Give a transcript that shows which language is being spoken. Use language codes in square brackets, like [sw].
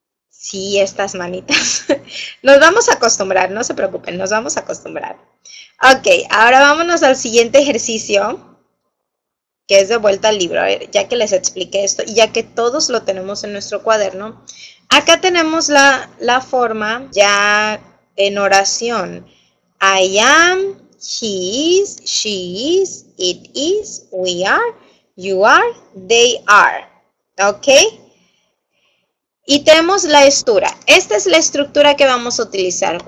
[es] Sí, estas manitas. Nos vamos a acostumbrar, no se preocupen, nos vamos a acostumbrar. Ok, ahora vámonos al siguiente ejercicio, que es de vuelta al libro. A ver, ya que les expliqué esto y ya que todos lo tenemos en nuestro cuaderno, acá tenemos la forma ya en oración. [en] I am, he is, she is, it is, we are, you are, they are. [es] ¿Ok? Y tenemos la estructura. Esta es la estructura que vamos a utilizar.